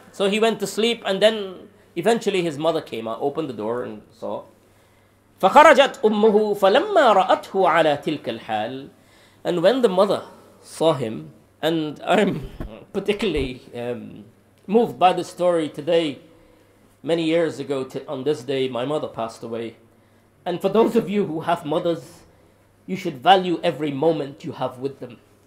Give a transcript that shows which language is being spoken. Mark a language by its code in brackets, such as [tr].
[en] So he went to sleep and then eventually his mother came out, opened the door and saw. [ar] فخرجت أمه فلما رأته على تلك الحال. [en] And when the mother saw him, and I'm particularly moved by the story today. Many years ago, on this day, my mother passed away. And for those of you who have mothers, you should value every moment you have with them.